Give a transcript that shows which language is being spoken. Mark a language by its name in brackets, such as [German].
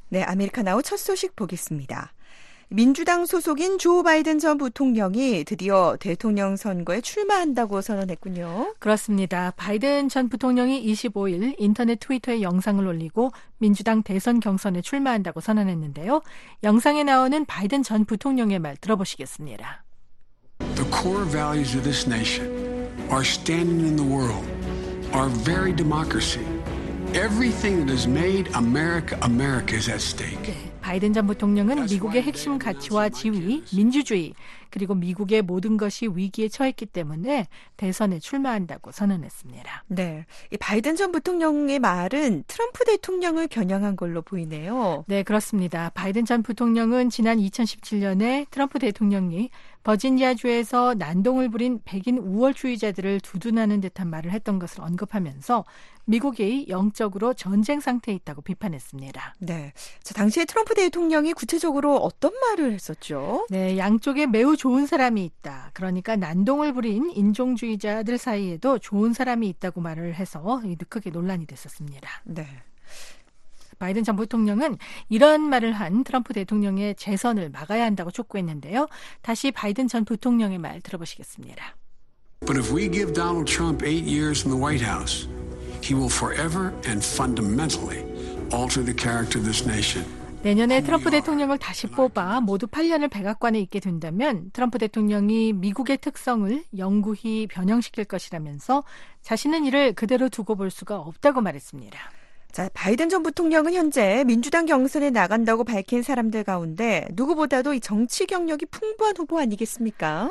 [Korean] 네, 아메리카나우 첫 소식 보겠습니다. 민주당 소속인 조 바이든 전 부통령이 드디어 대통령 선거에 출마한다고 선언했군요. 그렇습니다. 바이든 전 부통령이 25일 인터넷 트위터에 영상을 올리고 민주당 대선 경선에 출마한다고 선언했는데요. 영상에 나오는 바이든 전 부통령의 말 들어보시겠습니다. [English] The core values of this nation. Our standing in the world, our very democracy, everything that has made America, America is at stake. [Korean] 바이든 전 부통령은 미국의 핵심 가치와 지위, 민주주의, 그리고 미국의 모든 것이 위기에 처했기 때문에 대선에 출마한다고 선언했습니다. 네, 이 바이든 전 부통령의 말은 트럼프 대통령을 겨냥한 걸로 보이네요. 네, 그렇습니다. 바이든 전 부통령은 지난 2017년에 트럼프 대통령이 버지니아주에서 난동을 부린 백인 우월주의자들을 두둔하는 듯한 말을 했던 것을 언급하면서 미국이 영적으로 전쟁 상태에 있다고 비판했습니다. 네, 자, 당시에 트럼프 대통령이 구체적으로 어떤 말을 했었죠? 네, 양쪽에 매우 좋은 사람이 있다. 그러니까 난동을 부린 인종주의자들 사이에도 좋은 사람이 있다고 말을 해서 느긋하게 논란이 됐었습니다. 네. 바이든 전 부통령은 이런 말을 한 트럼프 대통령의 재선을 막아야 한다고 촉구했는데요. 다시 바이든 전 부통령의 말 들어보시겠습니다. [English] But if we give Donald Trump eight years in the White House, he will forever and fundamentally alter the character of this nation. [Korean] 내년에 트럼프 대통령을 다시 뽑아 모두 8년을 백악관에 있게 된다면 트럼프 대통령이 미국의 특성을 영구히 변형시킬 것이라면서 자신은 이를 그대로 두고 볼 수가 없다고 말했습니다. 자, 바이든 전 부통령은 현재 민주당 경선에 나간다고 밝힌 사람들 가운데 누구보다도 이 정치 경력이 풍부한 후보 아니겠습니까?